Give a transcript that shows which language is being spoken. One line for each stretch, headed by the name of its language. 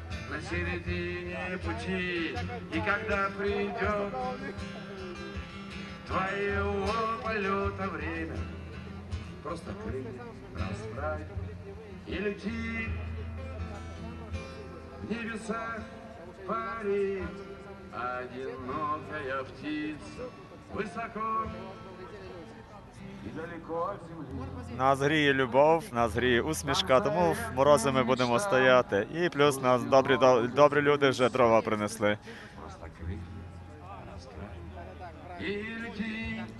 Ukrainian: На середині пути, і коли прийде твоєго польоту время.
Russian: Просто крылья расправь и лети. В небесах парит одинокая птица. Высоко и далеко от земли.
Ukrainian: Нас гріє любов, нас гріє усмішка, тому в морози ми будемо стояти. І плюс нас добрі люди вже дрова принесли.
Russian: Просто крылья расправь и лети.